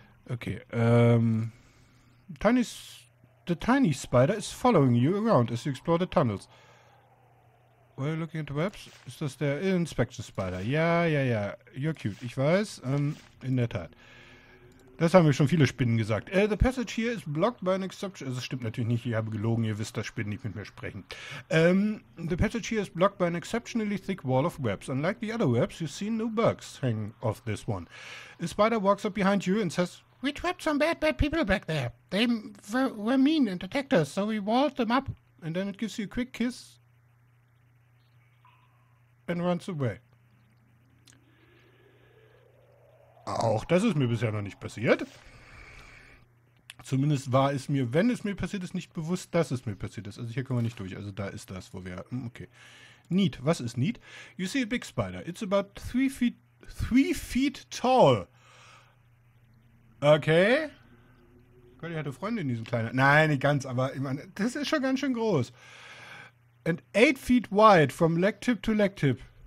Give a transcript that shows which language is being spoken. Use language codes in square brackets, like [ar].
[en] Okay, the tiny spider is following you around as you explore the tunnels. Why are you looking at the webs? [de] Ist das der Inspector Spider? Ja. [en] You're cute. [de] Ich weiß. In der Tat. Das haben mir schon viele Spinnen gesagt. [en] The passage here is blocked by an exception. [de] Also, das stimmt natürlich nicht. Ich habe gelogen. Ihr wisst, dass Spinnen nicht mit mir sprechen. [en] The passage here is blocked by an exceptionally thick wall of webs. Unlike the other webs, you see no bugs hang off this one. A spider walks up behind you and says, we trapped some bad people back there. They were mean and attacked us, so we walled them up. And then it gives you a quick kiss. And runs away. [de] Auch das ist mir bisher noch nicht passiert. Zumindest war es mir, wenn es mir passiert ist, nicht bewusst, dass es mir passiert ist. Also hier kommen wir nicht durch. Also da ist das, wo wir... Okay. Neat. Was ist neat? [en] You see a big spider. It's about three feet tall. Okay. [de] Gott, ich hatte Freunde in diesem kleinen... Nein, nicht ganz, aber ich meine, das ist schon ganz schön groß. [en] And 8 feet wide from leg tip to leg tip.